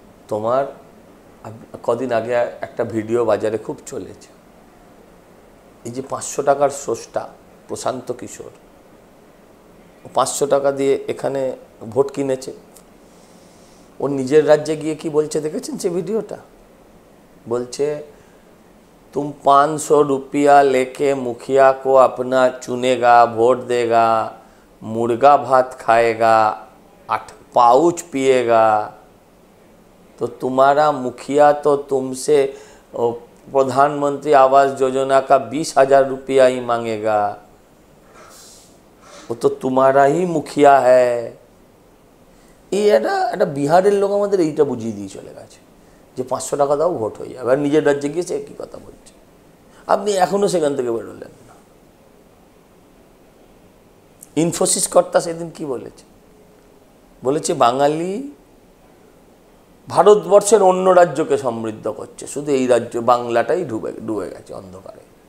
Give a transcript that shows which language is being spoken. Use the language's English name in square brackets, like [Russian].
[Bangla] তোমার কদিন আগে একটা ভিডিও বাজারে খুব চলেছে, এই যে 500 টাকার স্রষ্টা প্রশান্ত কিশোর, 500 টাকা দিয়ে এখানে ভোট কিনেছে, ও নিজের রাজ্যে গিয়ে কি বলছে দেখেছেন সে ভিডিওটা? [Hindi] बोलचे तुम 500 रुपया लेके मुखिया को अपना चुनेगा, वोट देगा, मुर्गा भात खाएगा, 8 पाउच पिएगा, तो तुम्हारा मुखिया तो तुमसे प्रधानमंत्री आवास योजना का 20,000 रुपया ही मांगेगा, वो तो तुम्हारा ही मुखिया है। ये बिहार लोग बुझिए दिए चले गए [Bangla] যে 500 টাকা দাও ভোট হয়ে যাবে, আর নিজের রাজ্যে গিয়ে সে একই কথা বলছে, আপনি এখনও সেখান থেকে বেরোলেন না। ইনফোসিস কর্তা সেদিন কি বলেছে, বলেছে বাঙালি ভারতবর্ষের অন্য রাজ্যকে সমৃদ্ধ করছে, শুধু এই রাজ্য বাংলাটাই ডুবে গেছে অন্ধকারে।